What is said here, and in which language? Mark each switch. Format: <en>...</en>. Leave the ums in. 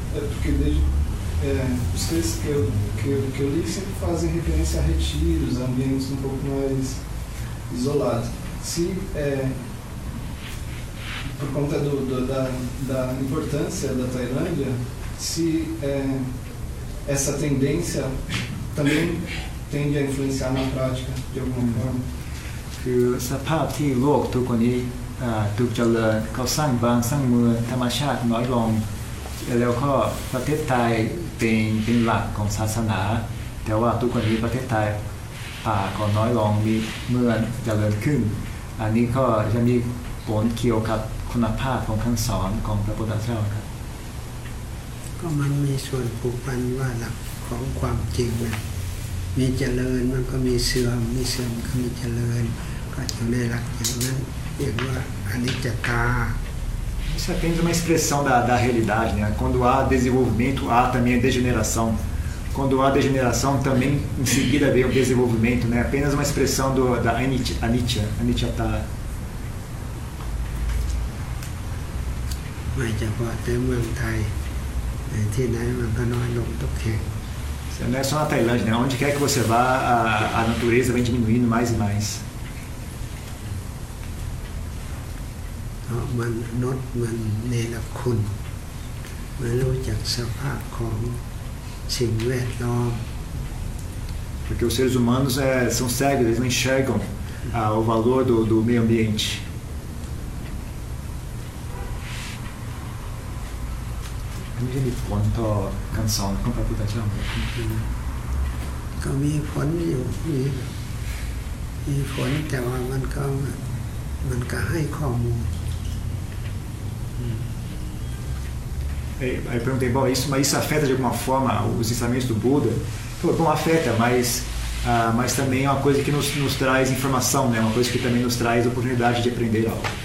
<pt>É porque desde é, os textos que eu, que, eu- que eu li sempre fazem referência a retiros, a ambientes um pouco mais isolados. Se é, por conta do- do- da, da importância da Tailândia, se é, essa tendência também tende a influenciar na prática de alguma forma.</pt> <th>คือสภาพที่โลกทุกวันนี้อ่าถูกเจริญเขาสร้างบ้านสร้างเมืองธรรมชาติน้อยลง แล้วก็ประเทศไทยเป็นเป็นหลักของศาสนา แต่ว่าทุกวันนี้ประเทศไทยป่าก็น้อยลงมีเมืองเจริญขึ้น อันนี้ก็จะมีผลเกี่ยวกับคุณภาพของคำสอนของพระพุทธเจ้าครับ ก็มันมีส่วนผูกพันว่าหลักของความจริงนะมีเจริญมันก็มีเสื่อม มีเสื่อมก็มีเจริญ ก็อยู่ในหลักอย่างนั้นเรียกว่าอนิจจตา</th> <pt>Isso é apenas uma expressão da, da realidade, né? Quando há desenvolvimento, há também a degeneração. Quando há degeneração, também em seguida vem o desenvolvimento, né? Apenas uma expressão do, da anitya, anitya, anityata.</pt> <th>ไม่เฉพาะแต่เมืองไทยในที่ไหนมันก็น้อยลงทุกแห่ง</th> <pt>Não é só na Tailândia, né? Onde quer que você vá, a, a natureza vem diminuindo mais e mais.</pt> <th>เพราะมันนดมันเนรคุณมันรู้จักสภาพของสิ่งแวดล้อม</th> <pt>Porque os seres humanos é, são cegos, eles não enxergam ah, o valor do, do meio ambiente.</pt> <th>อันนี้จะมีผลต่อการสอนของพระพุทธเจ้าไหม ก็มีผลอยู่มีมีผลแต่ว่ามันก็มันก็ให้ข้อมูล</th> <pt>Aí aí eu perguntei, bom, isso, mas isso afeta de alguma forma os ensinamentos do Buda? Ele Falou, bom, afeta, mas, ah, mas também é uma coisa que nos, nos traz informação, né? Uma coisa que também nos traz oportunidade de aprender algo.</pt>